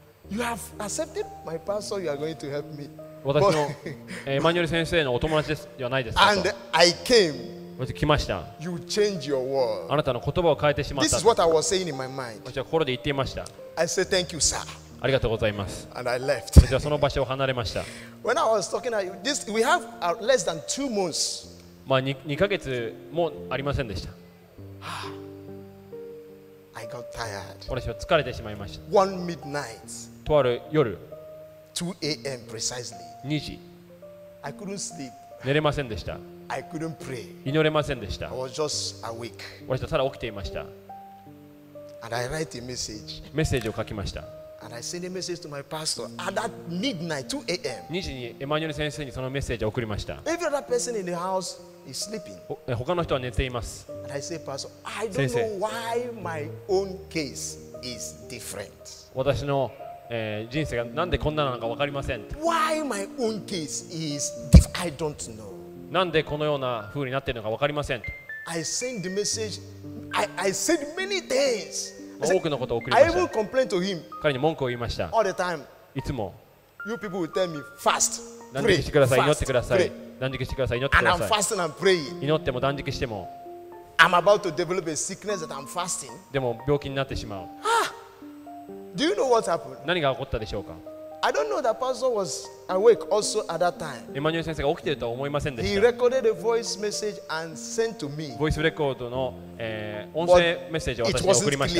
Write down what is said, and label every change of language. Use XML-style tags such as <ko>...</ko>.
<en>You have accepted my pastor. You are going to help me.</en> <ja>私のエマニュエル先生のお友達ではないですか。</ja> <en>And I came.</en> <ja>来ました。</ja> <en>You change your word.</en> <ja>あなたの言葉を変えてしまった。</ja> <en>This is what I was saying in my mind.</en> <ja>私は心で言っていました。</ja> <en>I said thank you, sir.</en> <ja>ありがとうございます。</ja> <en>And I left.</en> <ja>私はその場所を離れました。</ja> <en>When I was talking at this, we have less than two months.</en> <ja>まあ2ヶ月もありませんでした。</ja> <en>I got tired.</en> <ja>私は疲れてしまいました。</ja> <en>One midnight.</en> <ja>とある夜。</ja> <en>2 a.m. precisely.</en> <ja>2時。</ja> <en>I couldn't sleep.</en> <ja>寝れませんでした。</ja> <en>I couldn't pray.</en> <ja>祈れませんでした。</ja> <en>I was just awake.</en> <ja>私はただ起きていました。</ja> <en>And I write a message.</en> <ja>メッセージを書きました。</ja> <en>And I send a message to my pastor at that midnight, 2 a.m.</en> <ja>2時にエマニュエル先生にそのメッセージを送りました。</ja> <en>Every other person in the house is sleeping.</en> <ja>他の人は寝ています。</ja> <en>And I say, Pastor, I don't know why my own case is different.</en> <ja>私の人生がなんでこんななのかわかりません。</ja> <en>Why my own case is different? I don't know.</en> <ja>なんでこのような風になっているのか分かりません。</ja> <en>I sent the message. I sent many things.</en> <ja>多くのことを送りました。</ja> <en>I will complain to him.</en> <ja>彼に文句を言いました。</ja> <en>All the time.</en> <ja>いつも。</ja> <en>You people will tell me fast.</en> <ja>断食してください。祈ってください。断食してください。祈ってください。</ja> <en>And I'm fasting and praying.</en> <ja>祈っても断食しても。</ja> <en>I'm about to develop a sickness that I'm fasting.</en> <ja>でも病気になってしまう。</ja> <en>Do you know what happened?</en> <ja>何が起こったでしょうか。</ja> <en>I don't know that pastor was awake also at that time.</en> <ja>エマニュエル先生が起きているとは思いませんでした。</ja> <en>He recorded a voice message and sent to me.</en> <ja>ボイスレコードの音声メッセージを私に送りました。</ja>